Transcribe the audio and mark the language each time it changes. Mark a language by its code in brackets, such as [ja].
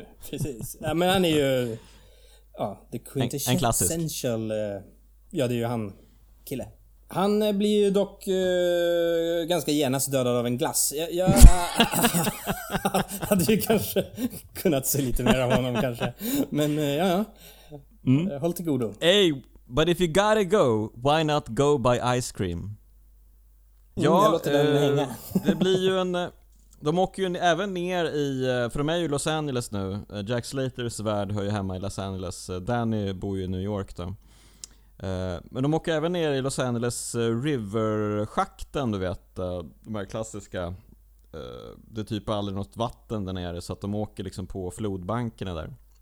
[sv] Precis, ja men han är ju, ja, [en] the quintessential. [sv] Ja, det är ju han, kille. Han blir ju dock ganska genast dödad av en glass. Jag hade ju kanske kunnat se lite mer av honom kanske. Men ja, håll till godo. [en] Hey, but if you gotta go, why not go by ice cream? [sv] Ja, jag låter den hänga. Det blir ju en, de åker ju även ner i, för de är ju Los Angeles nu. Jack Slaters värld hör ju hemma i Los Angeles. Danny bor ju i New York då. Men de åker även ner i Los Angeles River-schakten, du vet, de här klassiska, det är typ aldrig något vatten där nere, så att de åker liksom på flodbankerna där.